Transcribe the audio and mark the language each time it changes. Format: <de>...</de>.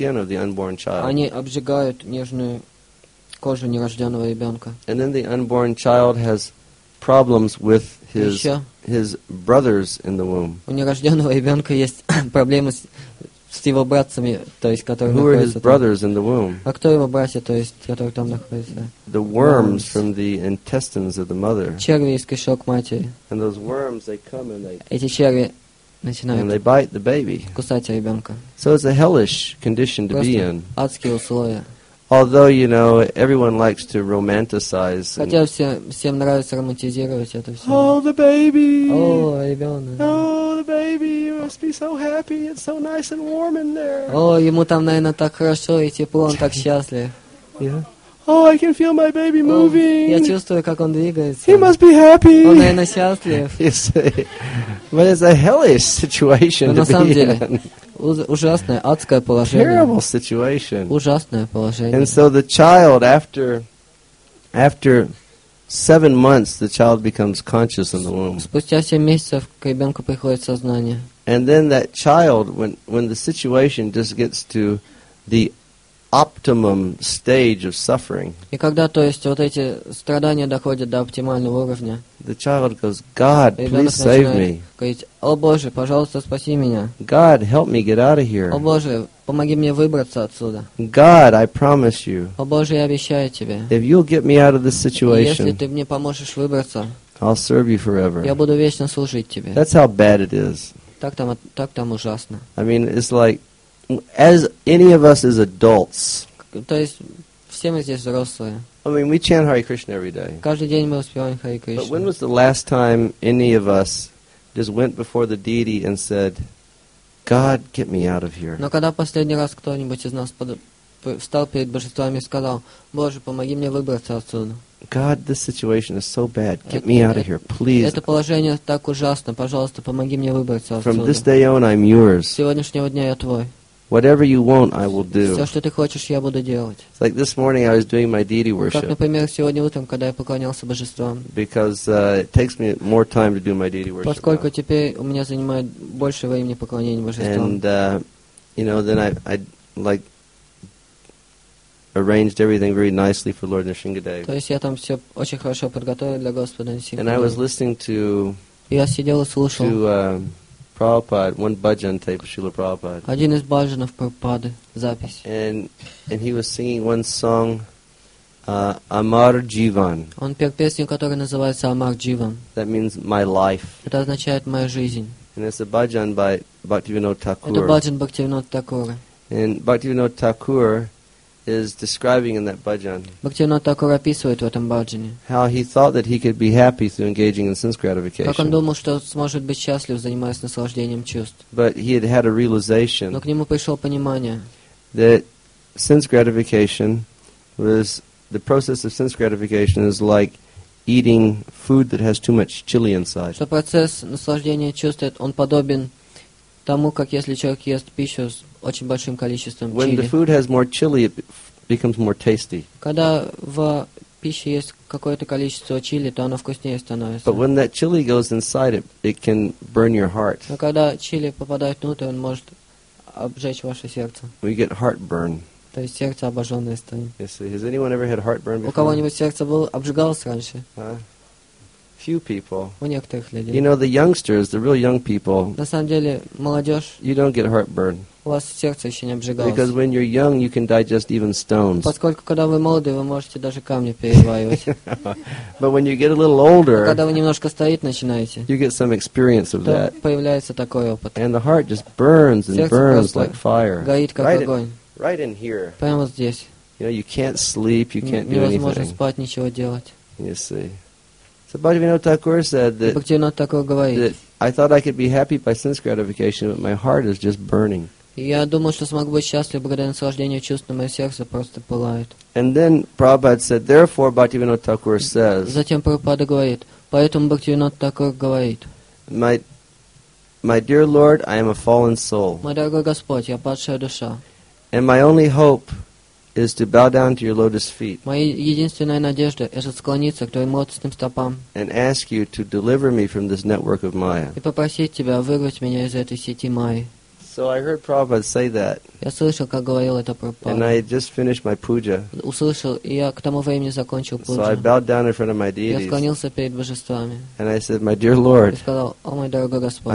<ru>Они обжигают нежную кожу нерожденного ребенка.</ru> <en>And then the unborn child has problems with his brothers in the womb.</en> <ru>У нерожденного ребенка есть проблемы с его братцами, то есть, которые</ru> <en>Who are his brothers in the womb?</en> <ru>А кто его братья, то есть, которые там находятся?</ru> <en>The worms from the intestines of the mother.</en> <ru>Черви из кишок матери.</ru> <en>And those worms, they come and they.</en> <ru>Эти черви начинают.</ru> <en>And they bite the baby.</en> <ru>Кусать ребенка.</ru> <en>So it's a hellish condition to be in.</en> <ru>Адские условия.</ru> <en>Although you know everyone likes to romanticize.</en> <ru>Хотя всем нравится романтизировать это все.</ru> <en>Oh, the baby.</en> <ru>Oh, ребенок.</ru> <en>Baby, you must be so happy. It's so nice and warm in there.</en> <ru>Oh, ему там, наверное, так хорошо и тепло, он так счастлив.</ru> <en>Yeah. Oh, I can feel my baby moving.</en> <ru>Я чувствую, как он двигается.</ru> <en>He must be happy.</en> <ru>Он, наверное, счастлив.</ru> <en>But it's a hellish situation to be in.</en> <ru>На самом деле, ужасное, адское положение.</ru> <en>Terrible situation.</en> <ru>Ужасное положение.</ru> <en>And so the child after 7 months, the child becomes conscious in the womb.</en> <ru>Спустя 7 месяцев к ребенку приходит сознание.</ru> <en>And then that child, when the situation just gets to the optimum stage of suffering.</en> <ru>И когда, то есть, вот эти страдания доходят до оптимального уровня.</ru> <en>The child goes, God, please save me.</en> <ru>Говорить, О Боже, пожалуйста, спаси меня.</ru> <en>God, help me get out of here.</en> <ru>О Боже, помоги мне выбраться отсюда.</ru> <en>God, I promise you.</en> <ru>О Боже, я обещаю тебе.</ru> <en>If you'll get me out of this situation.</en> <ru>Если ты мне поможешь выбраться.</ru> <en>I'll serve you forever.</en> <ru>Я буду вечно служить тебе.</ru> <en>That's how bad it is.</en> <ru>Так там ужасно.</ru> <en>I mean, it's like as any of us as adults.</en> <ru>То есть все мы здесь взрослые.</ru> <en>I mean, we chant Hare Krishna every day.</en> <ru>Каждый день мы воспеваем Hare Krishna.</ru> <en>But when was the last time any of us just went before the deity and said, God, get me out of here?</en> <ru>Но когда последний раз кто-нибудь из нас встал перед божествами и сказал, Боже, помоги мне выбраться отсюда.</ru> <en>God, this situation is so bad. Get me out of here, please.</en> <ru>Это положение так ужасно. Пожалуйста, помоги мне выбраться отсюда.</ru> <en>From this day on, I'm yours.</en> <ru>С сегодняшнего дня я твой.</ru> <en>Whatever you want, I will do.</en> <ru>Все, что ты хочешь, я буду делать.</ru> <en>It's like this morning, I was doing my deity worship.</en> <ru>Как, например, сегодня утром, когда я поклонялся божествам.</ru> <en>Because it takes me more time to do my deity worship.</en> <ru>Поскольку теперь у меня занимает больше времени поклонение божествам.</ru> <en>And you know, then I like arranged everything very nicely for Lord Nrisimhadeva.</en> <ru>То есть я там все очень хорошо подготовил для Господа Нрисимхадевы.</ru> <en>And I was listening to.</en> <ru>Я сидел и слушал.</ru> <en>Prabhupada, one bhajan tape of Srila Prabhupada.</en> <ru>Один из бхаджанов Прабхупады, запись.</ru> <en>And he was singing one song, Amar Jivan.</en> <ru>Он пел песню, которая называется Amar Jivan.</ru> <en>That means my life.</en> <ru>Это означает моя жизнь.</ru> <en>And it's a bhajan by Bhaktivinoda Thakur.</en> <ru>Это бхаджан Бхактивинода Такура.</ru> <en>And Bhaktivinoda Thakur is describing in that bhajan.</en> <ru>Бхактивинода Такура описывает в этом бхаджане.</ru> <en>How he thought that he could be happy through engaging in sense gratification.</en> <ru>Как он думал, что сможет быть счастлив, занимаясь наслаждением чувств.</ru> <en>But he had had a realization.</en> <ru>Но к нему пришло понимание.</ru> <en>That sense gratification was the process of sense gratification is like eating food that has too much chili inside.</en> <ru>Что процесс наслаждения чувств он подобен тому, как если человек ест пищу с очень большим количеством</ru> <en>when</en> <ru>чили.</ru> <en>The food has more chili, it becomes more tasty.</en> <ru>Когда в пище есть какое-то количество чили, то оно вкуснее становится.</ru> <en>But when that chili goes inside, it can burn your heart.</en> <ru>Но когда чили попадает внутрь, он может обжечь ваше сердце.</ru> <en>We get heartburn.</en> <ru>То есть сердце обожженное станет.</ru> <en>Yes, has anyone ever had heartburn before?</en> <ru>У кого-нибудь сердце обжигалось раньше?</ru> <en>few people.</en> <ru>У некоторых людей.</ru> <en>You know, the youngsters, the real young people.</en> <ru>На самом деле, молодежь.</ru> <en>You don't get heartburn.</en> <ru>У вас сердце еще не обжигалось.</ru> <en>Because when you're young, you can digest even stones.</en> <ru>Поскольку когда вы молоды, вы можете даже камни переваривать.</ru> <en>But when you get a little older,</en> <ru>когда вы немножко стареете, начинаете.</ru> <en>You get some experience of that.</en> <ru>Появляется такой опыт.</ru> <en>And the heart just burns and burns like fire.</en> <ru>Горит как огонь.</ru> <en>Right in here.</en> <ru>Прямо здесь.</ru> <en>You know, you can't sleep, you can't do anything.</en> <ru>Невозможно спать, ничего делать.</ru> <en>You see. So Bhaktivinoda Thakur said that I thought I could be happy by sense gratification, but my heart is just burning.</en> <ru>Я думал, что смогу быть счастлив благодаря наслаждению чувств, но мое сердце просто пылает.</ru> <en>And then Prabhupada said, therefore Bhaktivinoda Thakur says.</en> <ru>Затем Прабхупада говорит, поэтому Бхактивинода Такур говорит.</ru> <en>My dear Lord, I am a fallen soul.</en> <ru>Мой дорогой Господь, я падшая душа.</ru> <en>And my only hope is to bow down to your lotus feet.</en> <ru>Моя единственная надежда это склониться к твоим лотосным стопам.</ru> <en>And ask you to deliver me from this network of Maya.</en> <ru>И попросить тебя вырвать меня из этой сети Майи.</ru> <en>So I heard Prabhupada say that.</en> <ru>Я слышал, как говорил это Прабхупада.</ru> <en>And I had just finished my puja.</en> <ru>Услышал, и я к тому времени закончил пуджу.</ru> <en>So I bowed down in front of my deities.</en> <ru>Я склонился перед божествами.</ru> <en>And I said, my dear Lord.</en> <ru>И сказал, о мой дорогой Господь.</ru>